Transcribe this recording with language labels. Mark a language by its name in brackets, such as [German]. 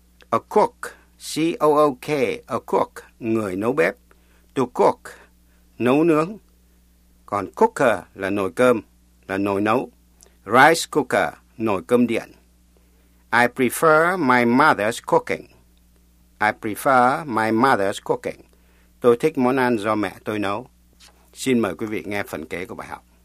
[English] a cook, C-O-O-K, a cook, [Vietnamese] người nấu bếp. To cook, nấu nướng. Còn cooker là nồi cơm, là nồi nấu. Rice cooker, nồi cơm điện. [English] I prefer my mother's cooking. I prefer my mother's cooking. [Vietnamese] Tôi thích món ăn do mẹ tôi nấu. Xin mời quý vị nghe phần kế của bài học.